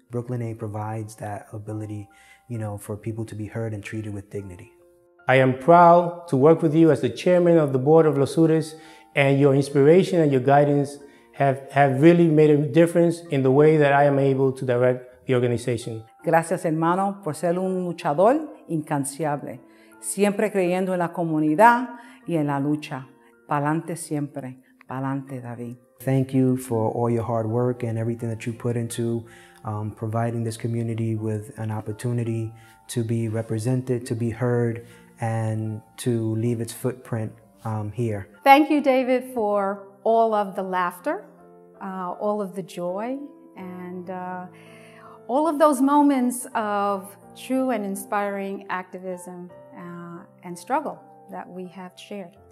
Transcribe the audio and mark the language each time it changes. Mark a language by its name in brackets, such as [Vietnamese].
[English] Brooklyn A provides that ability, you know, for people to be heard and treated with dignity. I am proud to work with you as the chairman of the board of Los Sures, and your inspiration and your guidance have really made a difference in the way that I am able to direct the organization. [Spanish] Gracias, hermano, por ser un luchador incansable, siempre creyendo en la comunidad y en la lucha. Pa'lante siempre. Pa'lante, David. [English] Thank you for all your hard work and everything that you put into providing this community with an opportunity to be represented, to be heard, and to leave its footprint here. Thank you, David, for all of the laughter, all of the joy, and all of those moments of true and inspiring activism and struggle that we have shared.